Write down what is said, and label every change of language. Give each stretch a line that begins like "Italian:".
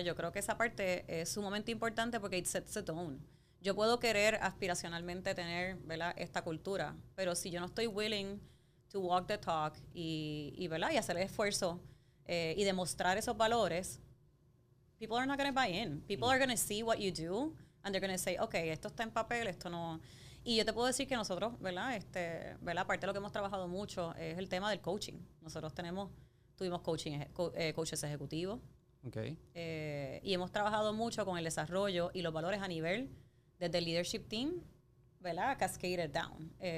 Spanish: Yo creo que esa parte es sumamente importante porque
English: it sets the tone.
Spanish: Yo puedo querer aspiracionalmente tener, ¿verdad?, esta cultura, pero si yo no estoy
English: willing to walk the talk
Spanish: y ¿verdad?, y hacer el esfuerzo y demostrar esos valores,
English: people are not going to buy in. People are going to see what you do and they're going to say, okay,
Spanish: esto está en papel, esto no. Y yo te puedo decir que nosotros, ¿verdad?, ¿verdad?, aparte de lo que hemos trabajado mucho es el tema del coaching. Nosotros tuvimos coaching, coaches ejecutivos. Okay. Y hemos trabajado mucho con el desarrollo y los valores a nivel desde el leadership team, ¿verdad?,
English: cascaded down.